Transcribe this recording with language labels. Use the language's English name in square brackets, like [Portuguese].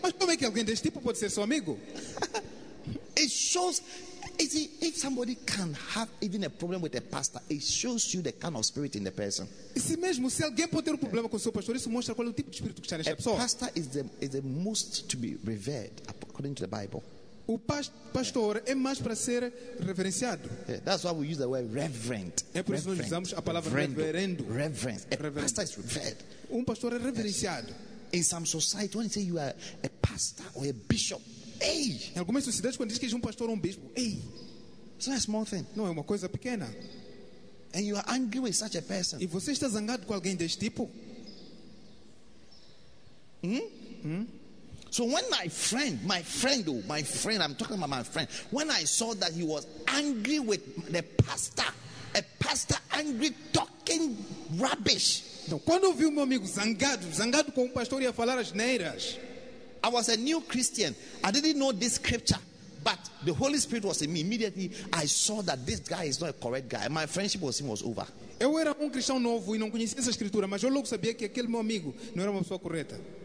[Portuguese] Mas como é que alguém desse tipo pode ser seu amigo? [English] It shows, is it, if somebody can have even a problem with a pastor, it shows you the kind of spirit in the person. [Portuguese] Isso mesmo, se alguém pode ter um problema com seu pastor, isso mostra qual é o tipo de espírito que está nessa pessoa. [English] A pastor is the most to be revered according to the Bible. [Portuguese] O pastor é mais para ser reverenciado. [English] Yeah, that's why we use the word reverend. [Portuguese] É por isso que nós usamos a palavra reverendo. [English] Reverence. A reverendo. Pastor is revered. [Portuguese] Um pastor é reverenciado. [English] In some society, when you say you are a pastor or a bishop, hey! [Portuguese] Em algumas sociedades, quando diz que é um pastor ou um bispo, hey! [English] It's not a small thing. [Portuguese] Não, é uma coisa pequena. [English] And you are angry with such a person. [Portuguese] E você está zangado com alguém deste tipo? [English] So when my friend, I'm talking about my friend, when I saw that he was angry with the pastor, a pastor angry talking rubbish. [Portuguese] Então, quando eu vi o meu amigo zangado com o pastor e a falar as neiras. [English] I was a new Christian. I didn't know this scripture, but the Holy Spirit was in me. Immediately, I saw that this guy is not a correct guy. My friendship with him was over. [Portuguese] Eu era cristão novo e não conhecia essa escritura, mas eu logo sabia que aquele meu amigo não era uma pessoa correta.